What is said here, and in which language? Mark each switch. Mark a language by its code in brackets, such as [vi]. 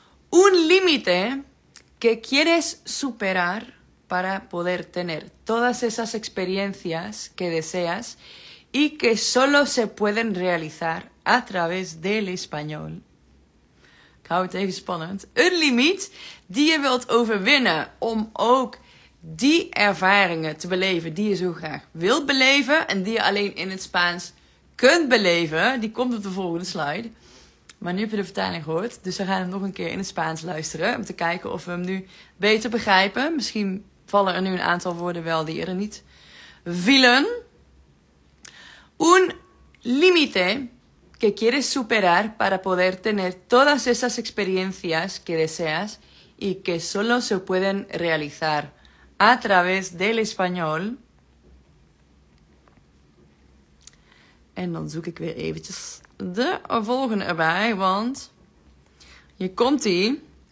[es] Un límite que quieres superar para poder tener todas esas experiencias que deseas y que solo se pueden realizar a través del español. [nl] Ik hou het even spannend. Een limiet die je wilt overwinnen om ook die ervaringen te beleven die je zo graag wilt beleven en die je alleen in het Spaans kunt beleven. Die komt op de volgende slide. Maar nu heb je de vertaling gehoord, dus we gaan hem nog een keer in het Spaans luisteren om te kijken of we hem nu beter begrijpen. Misschien vallen er nu een aantal woorden wel die er niet vielen. [es] Un límite que quieres superar para poder tener todas esas experiencias que deseas y que solo se pueden realizar a través del español. [nl] En dan zoek ik weer eventjes de volgende erbij, want hier komt ie.